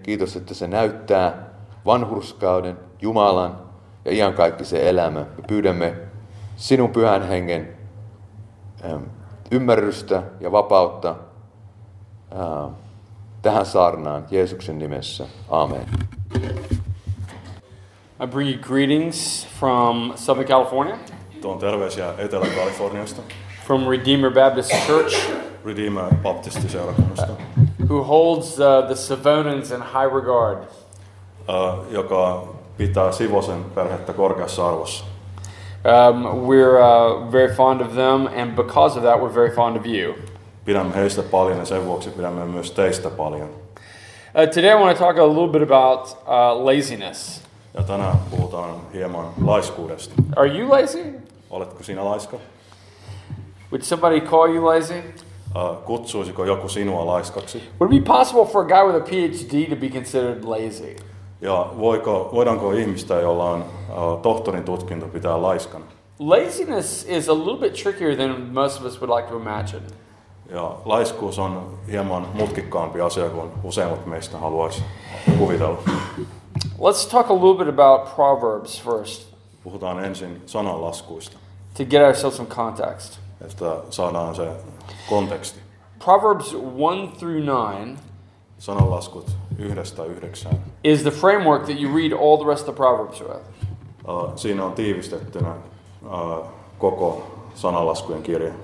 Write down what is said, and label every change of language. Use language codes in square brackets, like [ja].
[fi] Kiitos, että se näyttää vanhurskauden, Jumalan ja iankaikkisen elämän. Me pyydämme sinun pyhän hengen ymmärrystä ja vapautta tähän saarnaan Jeesuksen nimessä. Amen. [en] I bring you greetings from Southern California. [fi] Tuon terveisiä Etelä-Kaliforniasta. [en] From Redeemer Baptist Church. [fi] Redeemer Baptist-seurakunnasta. [en] Who holds the Savonans in high regard. [fi] Joka pitää Sivosen perhettä korkeassa arvossa. [en] We're very fond of them, and because of that we're very fond of you. [fi] Pidämme heistä paljon ja sen vuoksi pidämme myös teistä paljon. [en] Today I want to talk a little bit about laziness. [fi] Ja tänään puhutaan hieman laiskuudesta. [en] Are you lazy? [fi] Oletko sinä laiska? [en] Would somebody call you lazy? [fi] Kutsuisiko joku sinua laiskaksi? [en] Would it be possible for a guy with a PhD to be considered lazy? [fi] Ja voidaanko ihmistä, jolla on tohtorin tutkinto, pitää laiskana? [en] Laziness is a little bit trickier than most of us would like to imagine. [fi] Ja laiskuus on hieman mutkikkaampi asia kuin useimmat meistä haluaisi kuvitella. [en] Let's talk a little bit about Proverbs first. [fi] Puhutaan ensin sananlaskuista. [en] To get ourselves some context. [fi] Että saadaan se konteksti. [en] Proverbs 1-9. [fi] Sananlaskut 1-9. [en] Is the framework that you read all the rest of the Proverbs with. [fi] Siinä on tiivistettynä koko sananlaskujen kirja.